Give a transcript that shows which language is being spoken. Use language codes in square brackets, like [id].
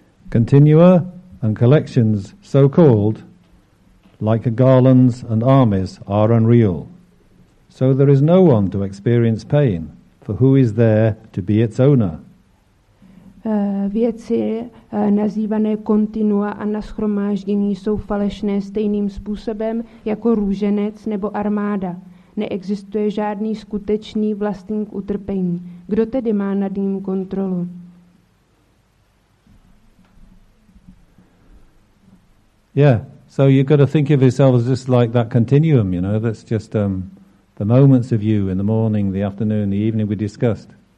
[en] Continua and collections, so called, like garlands and armies, are unreal. So there is no one to experience pain, for who is there to be its owner? [cs] Věci nazývané kontinua a nashromáždění jsou falešné stejným způsobem jako růženec nebo armáda. Neexistuje žádný skutečný vlastník utrpení. Kdo tedy má nad ním kontrolu? [en] Yeah, so you got to think of yourself as just like that continuum, you know, that's just the moments of you in the morning, the afternoon, the evening we discussed.